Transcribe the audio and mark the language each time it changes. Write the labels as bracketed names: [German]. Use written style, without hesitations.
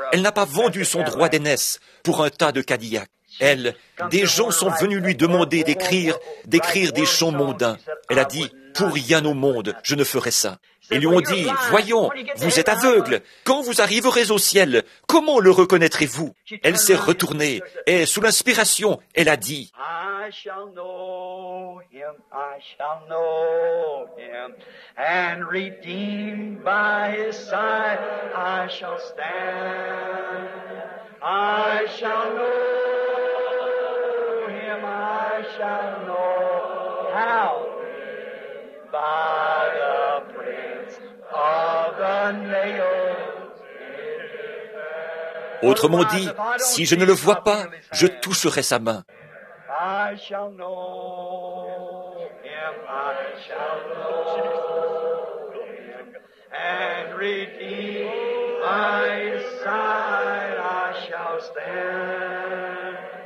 [French] Elle n'a pas vendu son droit d'aînesse pour un tas de Cadillac. Elle, des gens sont venus lui demander d'écrire des chants mondains. Elle a dit, pour rien au monde, je ne ferai ça. Ils lui ont dit, voyons, vous êtes aveugle. Quand vous arriverez au ciel, comment le reconnaîtrez-vous? Elle s'est retournée et sous l'inspiration, elle a dit, [English] I shall know him, I shall know him, and redeemed by his side, I shall stand. I shall know him, I shall know how, by the prints of the nails. [French] Autrement dit, si je ne le vois pas, je toucherai sa main. [English] I shall know him, I shall know him, and redeem my side, I shall stand.